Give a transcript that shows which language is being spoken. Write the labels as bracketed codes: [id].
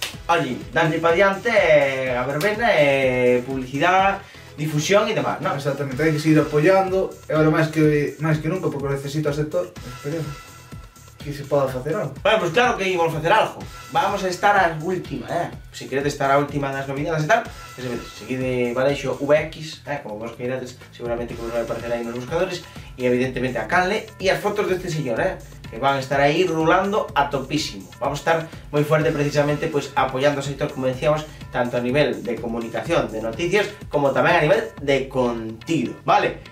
[gl] Allí, darlle pa diante, a verbena, publicidade, difusión e demás, non? Exactamente, hai que seguir apoiando e agora máis que nunca, porque necesito o sector, esperemos [es] que se pueda hacer algo. Bueno, pues claro que íbamos a hacer algo. Vamos a estar a última, ¿eh? Si queréis estar a última de las nominadas y tal, seguid de Valeixo VX, [gl] como vos queráis, [es] seguramente que os va a aparecer ahí en los buscadores, y evidentemente a Canle, y las fotos de este señor, ¿eh? Que van a estar ahí rulando a topísimo. Vamos a estar muy fuerte precisamente pues apoyando al sector, como decíamos, tanto a nivel de comunicación, de noticias, como también a nivel de contenido, ¿vale?